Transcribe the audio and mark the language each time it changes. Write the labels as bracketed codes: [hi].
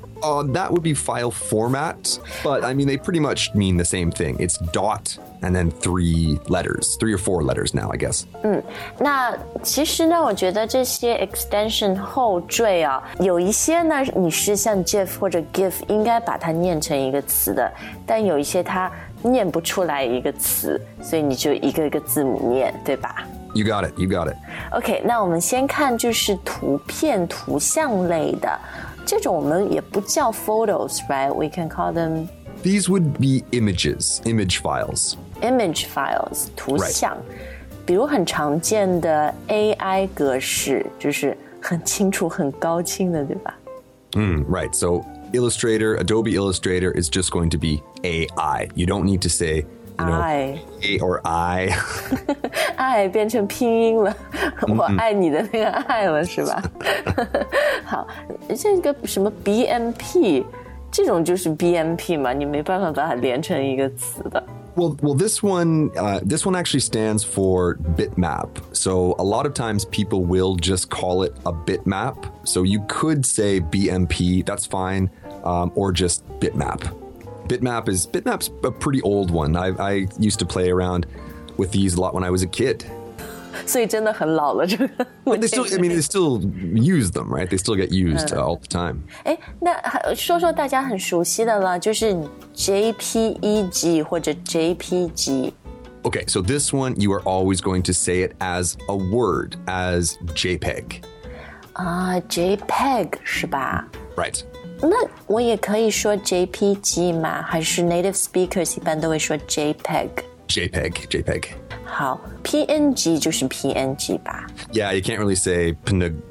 [en] That would be file format, but I mean, they pretty much mean the same thing. It's dot and then three or four letters now, I guess. [zh] 那其实呢，我觉得这些 extension 后缀啊，有一些呢，你是像 GIF 或者 GIF 应该把它念成一个词的，但有一些它念不出来一个词，所以你就一个一个字母念，对吧？ [en] You got it, you got it. [zh] Okay, 那我们先看就是图片、图像类的。这种我们也不叫 photos, right? [en] We can call them... These would be images, image files. Image files, 图像。 Right. [zh] 比如很常见的 AI 格式,就是很清楚、很高清的,对吧? [en] Right, so Illustrator, Adobe Illustrator is just going to be AI. You don't need to say... I. A or I. [zh] I 变成拼音了，我爱你的那个爱了，是吧？好，这个什么 BMP 这种就是 BMP 嘛，你没办法把它连成一个词的。 [en] Well, this one actually stands for bitmap. So a lot of times people will just call it a bitmap. So you could say BMP, that's fine, or just bitmap. Bitmap's a pretty old one. I used to play around with these a lot when I was a kid. [zh] 所以真的很老了这个文件。 [en] They still use them, right? They still get used all the time. [zh] 诶，那说说大家很熟悉的了，就是 JPEG 或者 JPG。 [en] Okay, so this one, you are always going to say it as a word, as JPEG. [zh] JPEG, 是吧？ [en] Right. [zh] 那我也可以说 JPG 吗？还是 [en] native speakers [zh] 一般都会说 JPEG? [en] JPEG. [zh] 好 ,PNG 就是 PNG 吧。 [en] Yeah, you can't really say PNG.